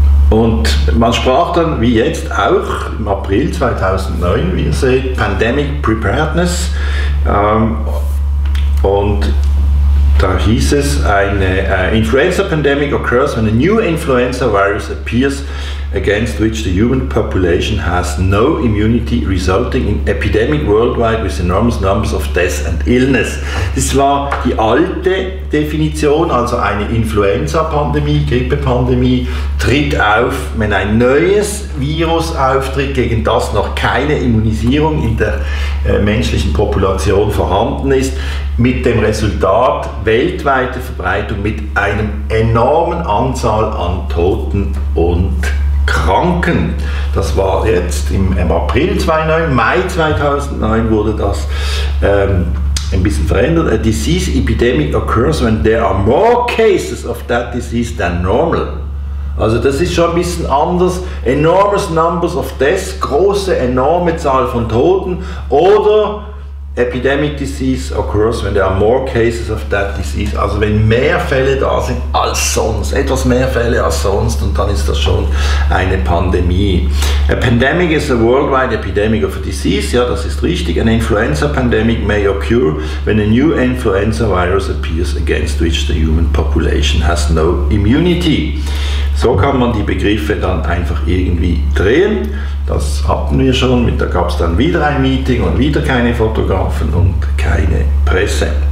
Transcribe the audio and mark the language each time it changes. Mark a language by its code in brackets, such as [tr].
[de] Und man sprach dann, wie jetzt auch im April 2009, wie ihr seht, Pandemic Preparedness. Und da hieß es, eine [en] Influenza Pandemic occurs when a new influenza virus appears against which the human population has no immunity, resulting in epidemic worldwide with enormous numbers of deaths and illness. [de] Das war die alte Definition, also eine Influenza-Pandemie, Grippe-Pandemie, tritt auf, wenn ein neues Virus auftritt, gegen das noch keine Immunisierung in der menschlichen Population vorhanden ist, mit dem Resultat weltweite Verbreitung mit einem enormen Anzahl an Toten und Kranken. Das war jetzt im April 2009, Mai 2009 wurde das ein bisschen verändert. [en] A disease epidemic occurs when there are more cases of that disease than normal. [de] Also das ist schon ein bisschen anders. [en] Enormous numbers of deaths, [de] große, enorme Zahl von Toten. [en] Oder epidemic disease occurs when there are more cases of that disease. [de] Also wenn mehr Fälle da sind als sonst, etwas mehr Fälle als sonst, und dann ist das schon eine Pandemie. [en] A pandemic is a worldwide epidemic of a disease. [de] Ja, das ist richtig. [en] An influenza pandemic may occur when a new influenza virus appears against which the human population has no immunity. [de] So kann man die Begriffe dann einfach irgendwie drehen. Das hatten wir schon, da gab es dann wieder ein Meeting und wieder keine Fotografen und keine Presse.